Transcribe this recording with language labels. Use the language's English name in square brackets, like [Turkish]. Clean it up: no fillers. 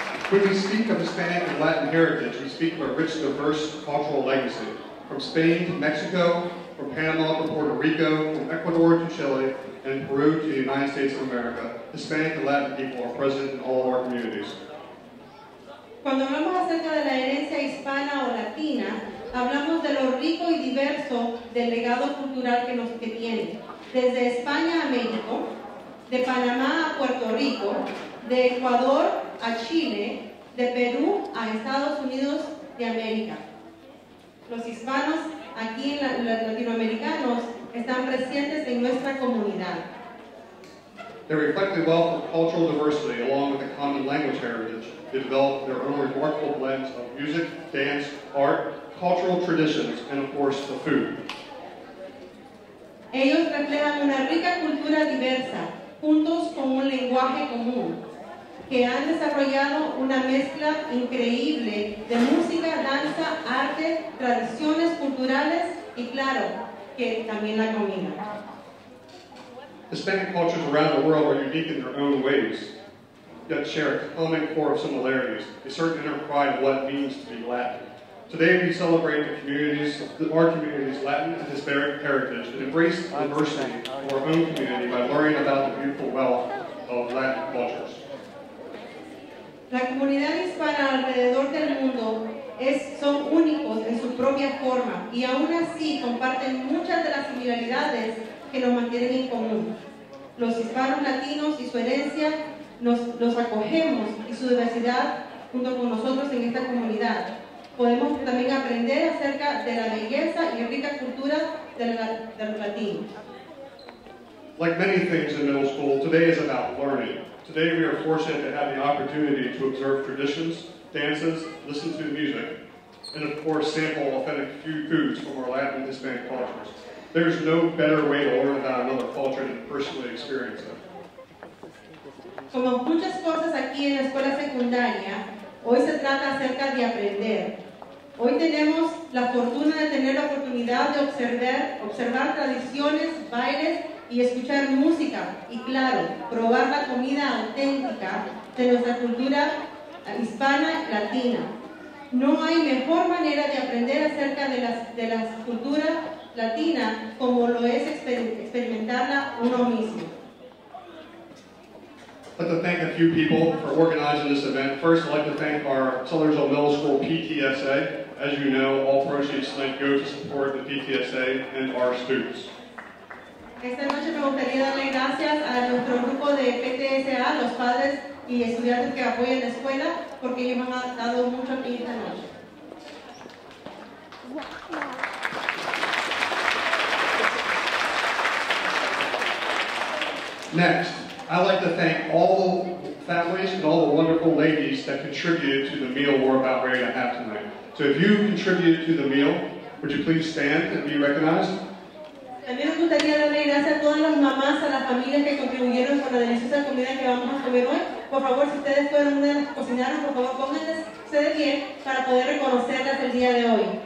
[English] When we speak of Hispanic and Latin heritage, we speak of a rich, diverse cultural legacy. From Spain to Mexico, from Panama to Puerto Rico, from Ecuador to Chile, and Peru to the United States of America, Hispanic and Latin people are present in all of our communities. [Spanish] Cuando hablamos acerca de la herencia hispana o latina, hablamos de lo rico y diverso del legado cultural que tiene. Desde España a México, de Panamá a Puerto Rico, de Ecuador a Chile, de Perú a Estados Unidos de América. Los hispanos aquí en latinoamericanos están presentes en nuestra comunidad. [English] They reflect the wealth of cultural diversity along with the common language heritage. They develop their own remarkable blends of music, dance, art, cultural traditions, and of course, the food. [Spanish] Ellos reflejan una rica cultura diversa, juntos con un lenguaje común, que han desarrollado una mezcla increíble de música, danza, arte, tradiciones culturales, y claro, que también la comida. [English] Hispanic cultures around the world are unique in their own ways, yet share a common core of similarities, a certain inner pride of what it means to be Latin. Today we celebrate the communities, our communities, Latin and Hispanic heritage, and embrace diversity of our own community by learning about the beautiful wealth of Latin cultures. [Spanish] La comunidad hispana alrededor del mundo son únicos en su propia forma, y aún así comparten muchas de las similaridades que nos mantienen en común. Los hispanos latinos y su herencia nos acogemos y su diversidad junto con nosotros en esta comunidad. Podemos también aprender acerca de la belleza y rica cultura del latino. [English] Like many things in middle school, today is about learning. Today we are fortunate to have the opportunity to observe traditions, dances, listen to music, and of course sample authentic foods from our Latin and Hispanic cultures. There is no better way to learn about another culture than to personally experience it. [Spanish] Como muchas cosas aquí en la escuela secundaria, hoy se trata acerca de aprender. Hoy tenemos la fortuna de tener la oportunidad de observar tradiciones, bailes y escuchar música. Y claro, probar la comida auténtica de nuestra cultura hispana y latina. No hay mejor manera de aprender acerca de las culturas latinas como lo es experimentarla uno mismo. [English] I'd like to thank a few people for organizing this event. First, I'd like to thank our Sellersville Middle School PTSA. As you know, all proceeds tonight go to support the PTSA and our students. [Spanish] Esta noche me gustaría darle gracias a nuestro grupo de PTSA, los padres y estudiantes que apoyan la escuela, porque ellos me han dado mucho apoyo esta noche. [English] Next, I'd like to thank all the families and all the wonderful ladies that contributed to the meal we're about ready to have tonight. So if you contributed to the meal, would you please stand and be recognized? [Spanish] También me gustaría darle gracias a todas las mamás, a las familias que contribuyeron con la deliciosa comida que vamos a comer hoy. Por favor, si ustedes fueron una de las cocineras, por favor, pónganse ustedes bien para poder reconocerlas el día de hoy.